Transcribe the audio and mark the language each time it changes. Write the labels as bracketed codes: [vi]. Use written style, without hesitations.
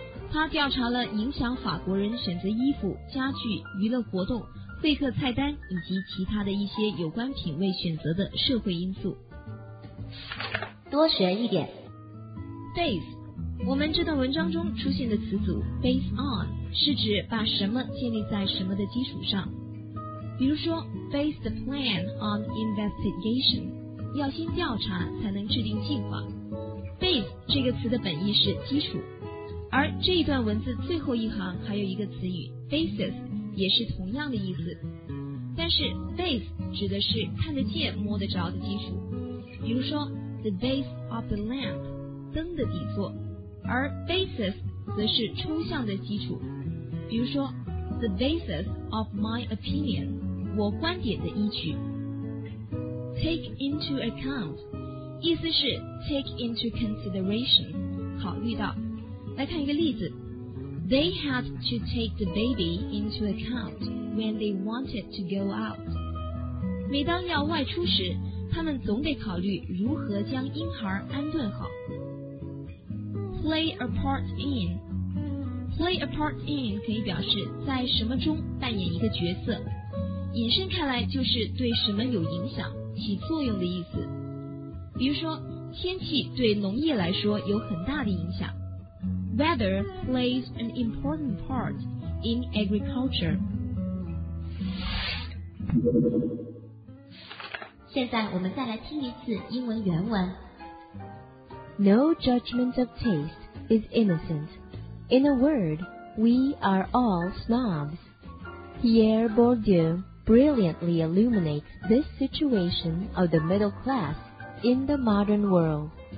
[zh] 他调查了影响法国人选择衣服、家具、娱乐活动会客菜单以及其他的一些有关品味选择的社会因素。多学一点。 Base， 我们这段文章中出现的词组 base on 是指把什么建立在什么的基础上。比如说 ， [en] base the plan on investigation， [zh] 要先调查才能制定计划。 Base 这个词的本意是基础，而这一段文字最后一行还有一个词语 basis。也是同样的意思，但是 base 指的是看得见摸得着的基础，比如说 [en] the base of the lamp [zh] 灯的底座，而 basis 则是抽象的基础，比如说 [en] the basis of my opinion [zh] 我观点的依据。 [en] take into account [zh] 意思是 [en] take into consideration [zh] 考虑到。来看一个例子， [en] They had to take the baby into account when they wanted to go out. [zh] 每当要外出时，他们总得考虑如何将婴孩安顿好。 [en] play a part in. Play a part in [zh] 可以表示在什么中扮演一个角色，引申开来就是对什么有影响、起作用的意思。比如说，天气对农业来说有很大的影响。 [en] Weather plays an important part in agriculture. [zh] 现在我们再来听一次英文原文。 [en] No judgment of taste is innocent. In a word, we are all snobs. Pierre Bourdieu brilliantly illuminates this situation of the middle class in the modern world.